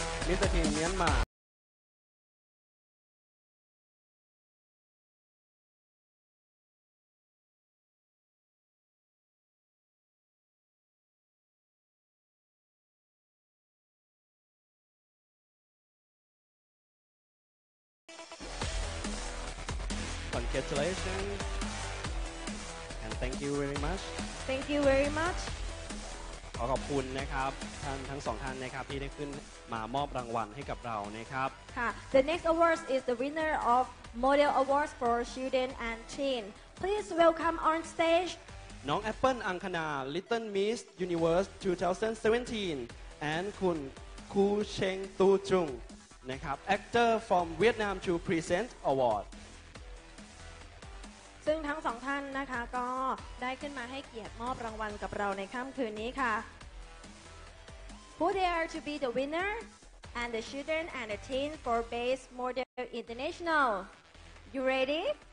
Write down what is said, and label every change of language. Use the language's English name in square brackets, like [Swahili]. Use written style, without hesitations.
[English] มิสเตอร์ทีมเมียนมาCongratulations and thank you very much. Thank you very much. [Thai] ขอขอบคุณนะครับท่านทั้งสองท่านนะครับที่ได้ขึ้นมามอบรางวัลให้กับเรานะครับ [English] ค่ะ The next award is the winner of Model Awards for Children and Teen. Please welcome on stage น้องแอปเปิ้ลอังคณา Little Miss Universe 2017 and คุณคูเชงตูจุงนะครับ Actor from Vietnam to present award [Thai] ซึ่งทั้งสองท่านนะคะก็ได้ขึ้นมาให้เกียรติมอบรางวัลกับเราในค่ำคืนนี้ค่ะ [English] Who dare to be the winner and the children and the teen for Base Model International You ready?